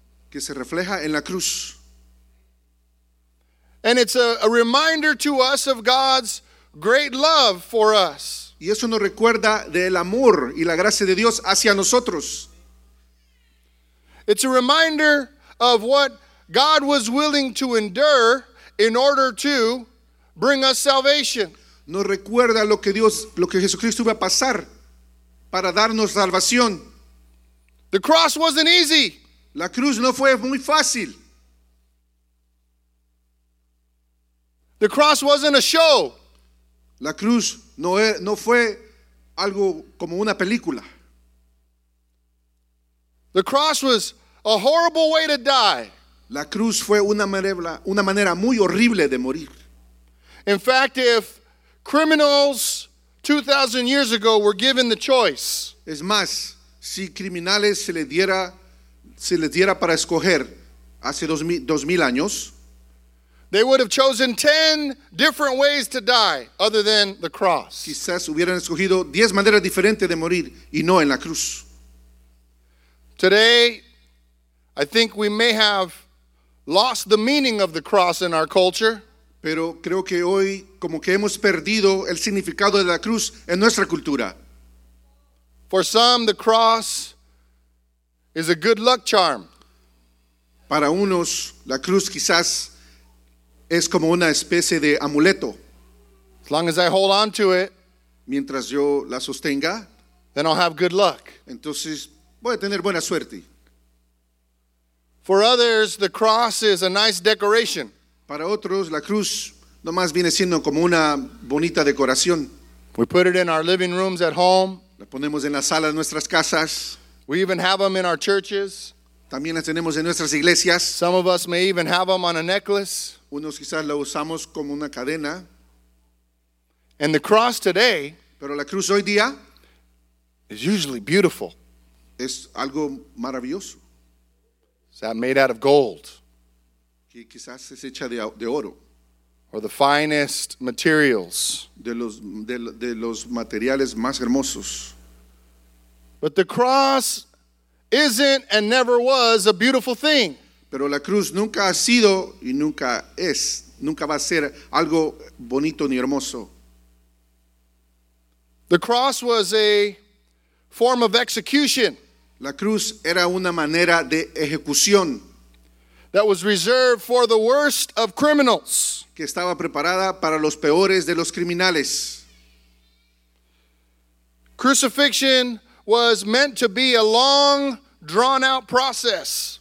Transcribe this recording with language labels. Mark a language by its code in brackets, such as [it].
[es] que se refleja en la cruz. [en] And it's a reminder to us of God's great love for us. [es] Y eso nos recuerda del amor y la gracia de Dios hacia nosotros. [en] It's a reminder of what God was willing to endure in order to bring us salvation. [es] Nos recuerda lo que Jesucristo iba a pasar para darnos salvación. [en] The cross wasn't easy. [es] La cruz no fue muy fácil. [en] The cross wasn't a show. [es] La cruz no fue algo como una película. [en] The cross was a horrible way to die. [es] La cruz fue una manera muy horrible de morir. [en] In fact, if criminals 2,000 years ago were given the choice. [es] Es más, si criminales se les diera para escoger hace 2,000 años, [en] they would have chosen 10 different ways to die other than the cross. [es] Quizás hubieran escogido 10 maneras diferentes de morir y no en la cruz. [en] Today, I think we may have lost the meaning of the cross in our culture. [es] Pero creo que hoy como que hemos perdido el significado de la cruz en nuestra cultura. [en] For some, the cross is a good luck charm. [es] Para unos, la cruz quizás es como una especie de amuleto. [en] As long as I hold on to it, [es] mientras yo la sostenga, [en] then I'll have good luck. [es] Entonces voy a tener buena suerte. [en] For others, the cross is a nice decoration. [es] Para otros, la cruz no más viene siendo como una bonita decoración. [en] We put it in our living rooms at home. [es] La ponemos en la sala de nuestras casas. [en] We even have them in our churches. [es] También las tenemos en nuestras iglesias. [en] Some of us may even have them on a necklace. [es] Unos quizás la usamos como una cadena. [en] And the cross today, [es] pero la cruz hoy día, [en] is usually beautiful. [es] Es algo maravilloso. [en] Is that made out of gold? [es] Que quizás es hecha de oro. [en] Or the finest materials. [es] De los materiales más hermosos. [en] But the cross isn't and never was a beautiful thing. [es] Pero la cruz nunca ha sido y nunca es, nunca va a ser algo bonito ni hermoso. [en] The cross was a form of execution. [es] La cruz era una manera de ejecución. [en] That was reserved for the worst of criminals. [es] Que estaba preparada para los peores de los criminales. [en] Crucifixion was meant to be a long, drawn-out process.